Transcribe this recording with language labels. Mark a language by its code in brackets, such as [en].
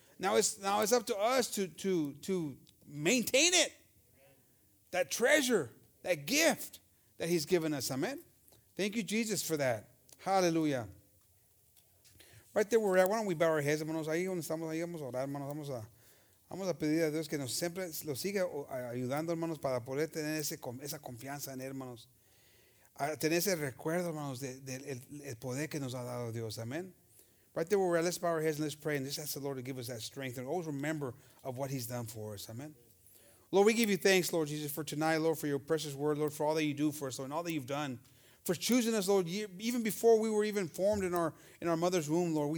[en] Now it's up to us to maintain it. That treasure, that gift that he's given us. Amen. Thank you, Jesus, for that. Hallelujah. Right there where we're at, why don't we bow our heads, hermanos? [es] Ahí donde estamos, ahí vamos a orar, hermanos. Vamos a pedir a Dios que nos siempre lo siga ayudando, hermanos, para poder tener esa confianza en Él, hermanos. A tener ese recuerdo, hermanos, del poder que nos ha dado Dios. [en] Amen. Right there where we're at, let's bow our heads and let's pray. And just ask the Lord to give us that strength and always remember of what he's done for us. Amen. Lord, we give you thanks, Lord Jesus, for tonight, Lord, for your precious word, Lord, for all that you do for us, Lord, and all that you've done. For choosing us, Lord, even before we were even formed in our mother's womb, Lord.